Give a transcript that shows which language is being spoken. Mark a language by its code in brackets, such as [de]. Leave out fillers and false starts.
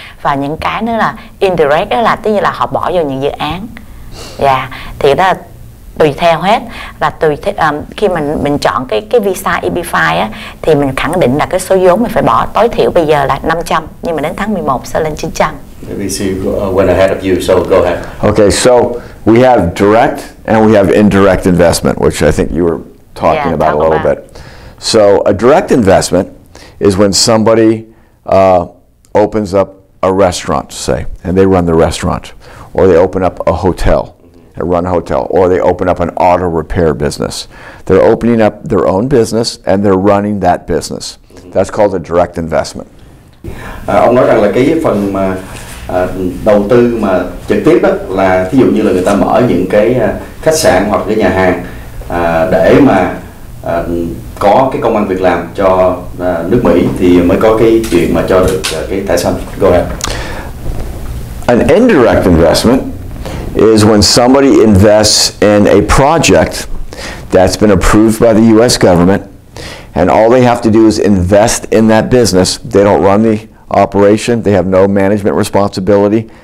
[vi] Và những cái nữa là indirect, đó là tức như là họ bỏ vô những dự án. Yeah. Thì đó là tùy theo hết, là tùy theo, khi mình chọn cái visa EB-5 á, thì mình khẳng định là cái số vốn mình phải bỏ tối thiểu bây giờ là 500, nhưng mà đến tháng 11 sẽ lên 900. [en] Let me see who went ahead of you, so go ahead. Okay, so we have direct and we have indirect investment, which I think you were talking yeah, about talk a little about. Bit. So a direct investment is when somebody opens up a restaurant, say, and they run the restaurant, or they open up a hotel, and run a hotel, or they open up an auto repair business. They're opening up their own business and they're running that business. That's called a direct investment. [vi] Ông nói rằng là cái phần mà đầu tư mà trực tiếp đó là thí dụ như là người ta mở những cái khách sạn hoặc cái nhà hàng để mà có cái công ăn việc làm cho nước Mỹ thì mới có cái chuyện mà cho được cái thẻ xanh. [en] Go ahead. An indirect investment is when somebody invests in a project that's been approved by the U.S. government. And all they have to do is invest in that business. They don't run the operation. They have no management responsibility.